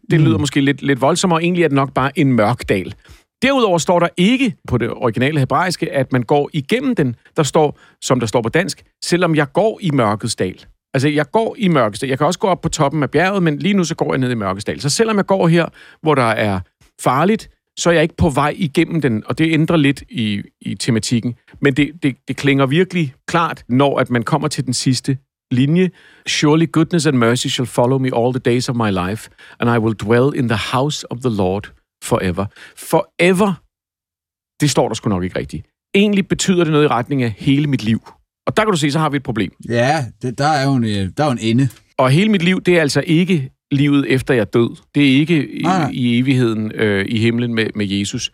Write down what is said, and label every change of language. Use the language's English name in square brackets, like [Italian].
[Danish] Det lyder måske lidt voldsomt, og egentlig er det nok bare en mørk dal. Derudover står der ikke på det originale hebraiske, at man går igennem den, der står, som der står på dansk, selvom jeg går i mørkets dal. Altså, jeg går i mørkets dal. Jeg kan også gå op på toppen af bjerget, men lige nu så går jeg ned i mørkets dal. Så selvom jeg går her, hvor der er farligt, så er jeg ikke på vej igennem den, og det ændrer lidt i tematikken. Men det klinger virkelig klart, når at man kommer til den sidste linje. [English] Surely goodness and mercy shall follow me all the days of my life, and I will dwell in the house of the Lord. Forever. [Danish] Forever, det står der sgu nok ikke rigtigt. Egentlig betyder det noget i retning af hele mit liv. Og der kan du se, så har vi et problem. Ja, der er jo en ende. Og hele mit liv, det er altså ikke livet efter jeg er død. Det er ikke i evigheden i himlen med Jesus.